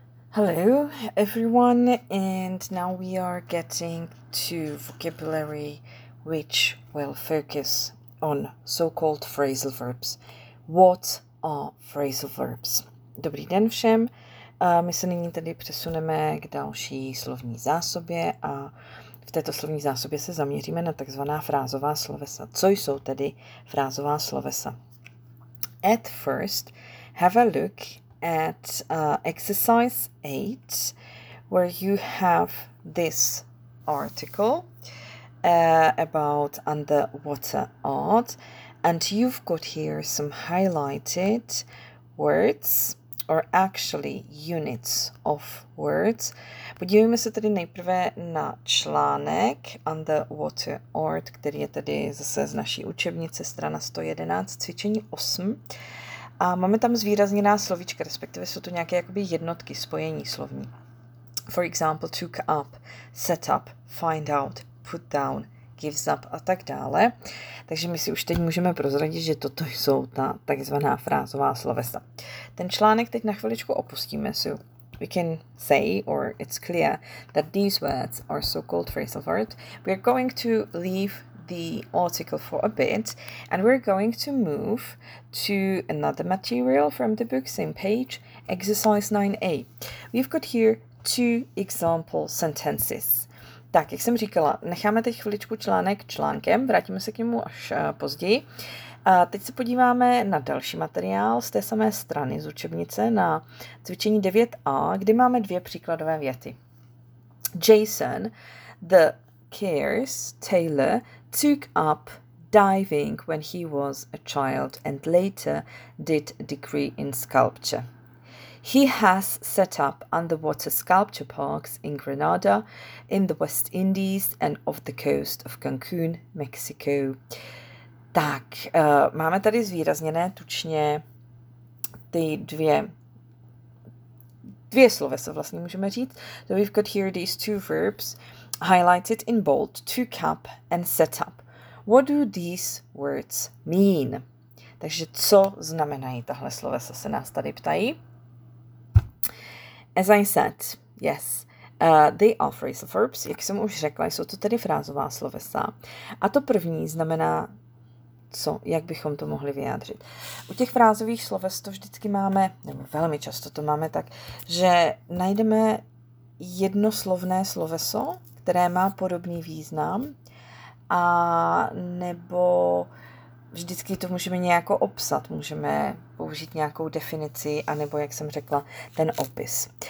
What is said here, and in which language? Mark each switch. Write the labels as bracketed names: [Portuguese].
[English] Hello, everyone, and now we are getting to vocabulary which will focus on so-called phrasal verbs. What are phrasal verbs? [Czech] Dobrý den všem, my se nyní tady přesuneme k další slovní zásobě a v této slovní zásobě se zaměříme na takzvaná frázová slovesa. Co jsou tedy frázová slovesa? [English] At first, have a look at exercise 8, where you have this article about underwater art, and you've got here some highlighted words, or actually units of words. [Czech] Podívejme se tedy nejprve na článek underwater art, který je tady zase z naší učebnice, strana 111, cvičení 8. A máme tam zvýrazněná slovíčka, respektive jsou to nějaké jakoby jednotky, spojení slovní. [English] For example, took up, set up, find out, put down, gives up [Czech] a tak dále. Takže my si už teď můžeme prozradit, že toto jsou ta takzvaná frázová slovesa. Ten článek teď na chviličku opustíme. [English] So we can say, or it's clear, that these words are so-called phrasal words. We are going to leave the article for a bit, and we're going to move to another material from the book, same page, exercise 9a. We've got here two example sentences. [Czech] Tak, jak jsem říkala, necháme teď chviličku článek článkem, vrátíme se k němu až později. A teď se podíváme na další materiál z té samé strany z učebnice na cvičení 9a, kde máme dvě příkladové věty. [English] Jason, the cares, Taylor, took up diving when he was a child and later did a degree in sculpture. He has set up underwater sculpture parks in Granada, in the West Indies and off the coast of Cancun, Mexico. [Czech] Tak, máme tady zvýrazněné tučně ty dvě slovesa, vlastně můžeme říct. [English] So we've got here these two verbs highlighted in bold, took up and set up. What do these words mean? [Czech] Takže co znamenají tahle slovesa, se nás tady ptají. [English] As I said, yes, they are phrasal verbs. [Czech] Jak jsem už řekla, jsou to tedy frázová slovesa. A to první znamená, co, jak bychom to mohli vyjádřit. U těch frázových sloves to vždycky máme, nebo velmi často to máme tak, že najdeme jednoslovné sloveso, které má podobný význam, a nebo vždycky to můžeme nějako opsat, můžeme použít nějakou definici, anebo, jak jsem řekla, ten opis.